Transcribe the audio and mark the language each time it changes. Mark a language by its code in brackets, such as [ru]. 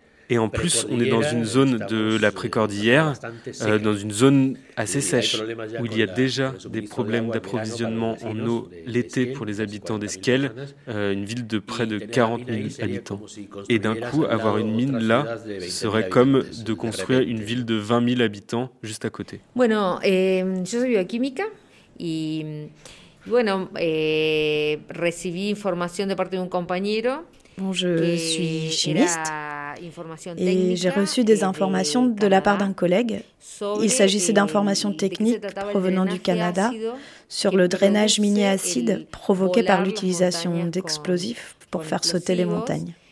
[fr] Et en plus, on est dans une zone de la précordillère, dans une zone assez sèche, où il y a déjà des problèmes d'approvisionnement en eau l'été pour les habitants d'Esquel, une ville de près de 40 000 habitants. Et d'un coup, avoir une mine là, ce serait comme de construire une ville de 20 000 habitants juste à côté. [es] Bueno, yo soy bioquímica y bueno, recibí información de parte de un compañero. [fr] Bon, je suis chimiste et j'ai reçu des informations de la part d'un collègue. Il s'agissait d'informations techniques provenant du Canada sur le drainage minier acide provoqué par l'utilisation d'explosifs pour faire sauter les montagnes.